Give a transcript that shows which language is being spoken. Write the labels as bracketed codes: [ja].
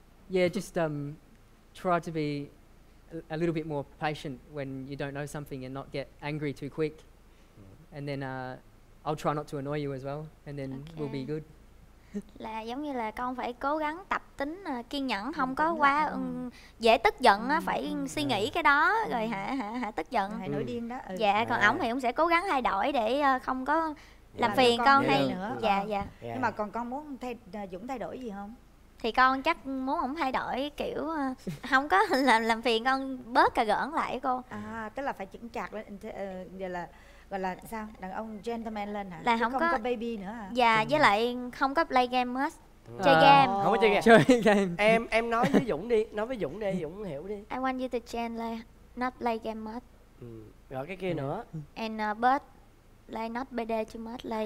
[en] Yeah, just try to be a little bit more patient when you don't know something and not get angry too quick. And then I'll try not to annoy you as well, and then we'll be good. [vi] Là giống như là con phải cố gắng tập tính kiên nhẫn, không có quá dễ tức giận á, phải suy nghĩ cái đó rồi hả tức giận, hay nổi điên đó. Dạ, còn ổng thì ông sẽ cố gắng thay đổi để không có làm phiền con hay nữa. Dạ dạ. Nhưng mà còn con muốn thay Dũng thay đổi gì không? Thì con chắc muốn ổng thay đổi kiểu không có làm phiền con, bớt cà gỡn lại con. À, tức là phải chững chạc lên giờ là gọi là sao, đàn ông gentleman lên hả? Là không, không có baby nữa hả? Dạ, với lại không có play game hết. Chơi game. Không có chơi game. Chơi game. Em nói với Dũng đi, nói với Dũng đi, Dũng hiểu đi. [en] I want you to gently not play game hết. [vi] Rồi cái kia nữa. [en] And but play not bd too much play.